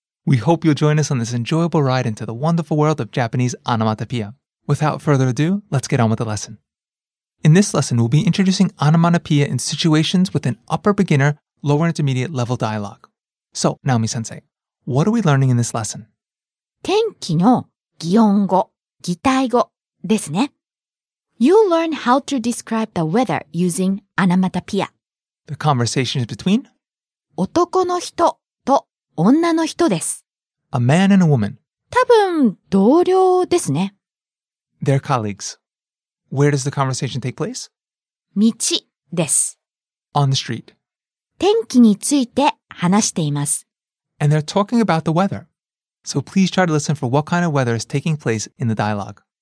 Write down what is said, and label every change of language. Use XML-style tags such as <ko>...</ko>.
<en>We hope you'll join us on this enjoyable ride into the wonderful world of Japanese onomatopoeia. Without further ado, let's get on with the lesson. In this lesson, we'll be introducing onomatopoeia in situations with an upper beginner, lower intermediate level dialogue. So, Naomi-sensei, what are we learning in this lesson?</en> <ja>天気の擬音語、擬態語ですね。</ja> <en>You'll learn how to describe the weather using onomatopoeia. The conversation is between</en> <ja>男の人と女の人です。</ja> <en>A man and a woman.</en> <ja>多分同僚ですね。</ja> <en>Their colleagues. Where does the conversation take place?</en> <ja>道です。</ja> <en>On the street.</en> <ja>天気について話しています。</ja> <en>And they're talking about the weather. So please try to listen for what kind of weather is taking place in the dialogue.</en>